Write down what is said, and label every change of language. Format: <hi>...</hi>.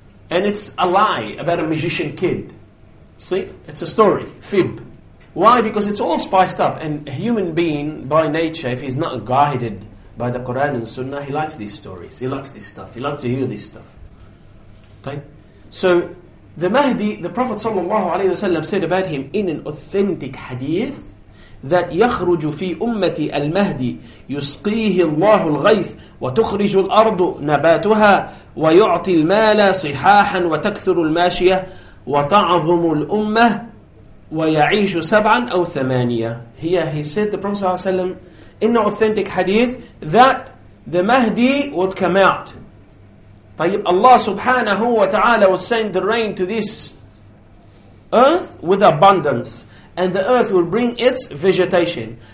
<en>And it's a lie about a magician kid. See, it's a story, fib. Why? Because it's all spiced up. And a human being, by nature, if he's not guided by the Quran and Sunnah, he likes these stories, he likes this stuff, he likes to hear this stuff. Right? So, the Mahdi, the Prophet ﷺ said about him in an authentic hadith that</en> <ar>يَخْرُجُ فِي أُمَّتِي الْمَهْدِ يُسْقِيهِ اللَّهُ الْغَيْثِ وَتُخْرِجُ الْأَرْضُ نَبَاتُهَا وَيُعْطِي الْمَالَ صِحَاحًا وَتَكْثُرُ الْمَاشِيَةِ وَتَعْظُمُ الْأُمَّةِ وَيَعِيشُ سَبْعًا أَوْ ثَمَانِيَةً.</ar> <en>Here he said, the Prophet ﷺ, in an authentic hadith, that the Mahdi would come out. Allah subhanahu wa ta'ala will send the rain to this earth with abundance, and the earth will bring its vegetation.</en>